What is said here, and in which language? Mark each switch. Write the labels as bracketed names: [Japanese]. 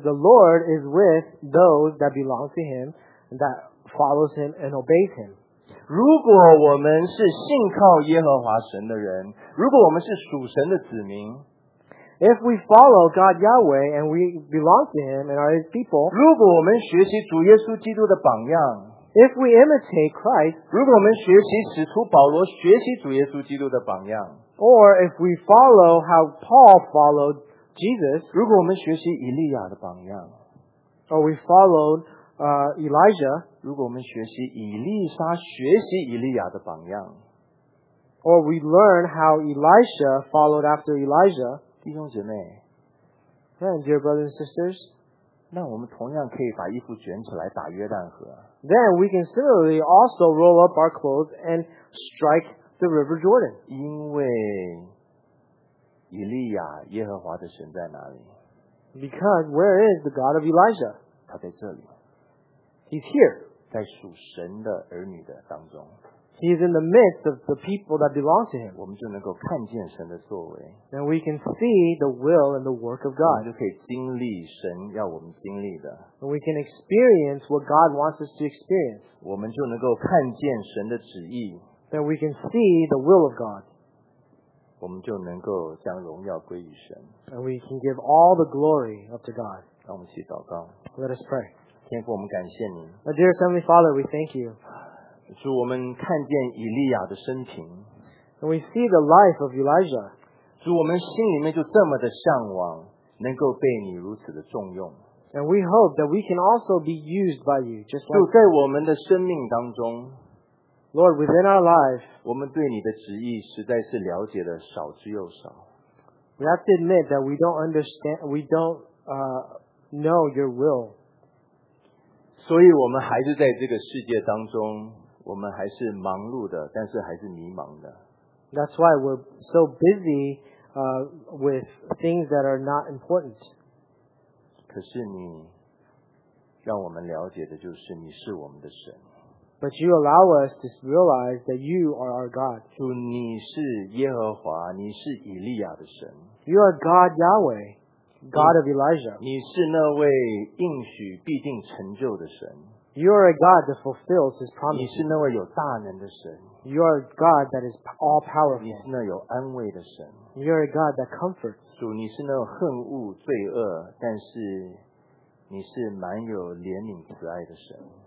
[English] the Lord is with those that belong to Him, that follows Him and obeys Him. [Chinese] 如果我们是信靠耶和华神的人，如果我们是属神的子民， [English] If we follow God Yahweh and we belong to Him and are His people, [Chinese] 如果我们学习主耶稣基督的榜样， [English] If we imitate Christ, [Chinese] 如果我们学习使徒保罗学习主耶稣基督的榜样， [English] or if we follow how Paul followed Jesus, [Chinese] 如果我们学习以利亚的榜样， [English] or we followed Elijah, [Chinese] 如果我们学习以利沙学习以利亚的榜样， [English] or we learn how Elisha followed after Elijah, [Chinese] 弟兄姐妹， [English] then dear brothers and sisters, [Chinese] 那我们同样可以把衣服卷起来打约旦河。 [English] Then we can similarly also roll up our clothes and strike the River Jordan. [Chinese] 因为以利亚耶和华的神在哪里？ [English] Because where is the God of Elijah? [Chinese] 他在这里。 [English] He's here. [Chinese] 在属神的儿女的当中。 [English] He is in the midst of the people that belong to him. [Chinese] 我们就能够看见神的作为。 [English] And we can see the will and the work of God. [Chinese] 我们就可以经历神要我们经历的。 [English] And we can experience what God wants us to experience. [Chinese] 我们就能够看见神的旨意。 [English] And we can see the will of God. [Chinese] 我们就能够将荣耀归于神。 [English] And we can give all the glory up to God. [Chinese] 让我们一起祷告。 [English] Let us pray. [Chinese] 天父，我们感谢你。 [English] Now, dear Heavenly Father, we thank you. [Chinese] 主，我们看见以利亚的生平。 [English] And we see the life of Elijah. [Chinese] 主，我们心里面就这么的向往，能够被你如此的重用。 [English] And we hope that we can also be used by you. [Chinese] 主，在我们的生命当中， [English] Lord, within our lives, [Chinese] 我们对你的旨意实在是了解的少之又少。 [English] We have to admit that we don't understand, we don't know your will. [Chinese] 所以我们还是在这个世界当中，我们还是忙碌的，但是还是迷茫的。 [English] That's why we're so busy, with things that are not important. [Chinese] 可是你让我们了解的就是你是我们的神。 [English] But you allow us to realize that you are our God. [Chinese] 主，你是耶和华，你是以利亚的神。 [English] You are God Yahweh, God of Elijah. [Chinese] 你是那位应许必定成就的神。 [English] You are a God that fulfills His promise. [Chinese] 你是那位有大能的神。 [English] You are a God that is all powerful. [Chinese] 你是那有安慰的神。 [English] You are a God that comforts. [Chinese] 主，你是那恨恶罪恶，但是你是满有怜悯慈爱的神。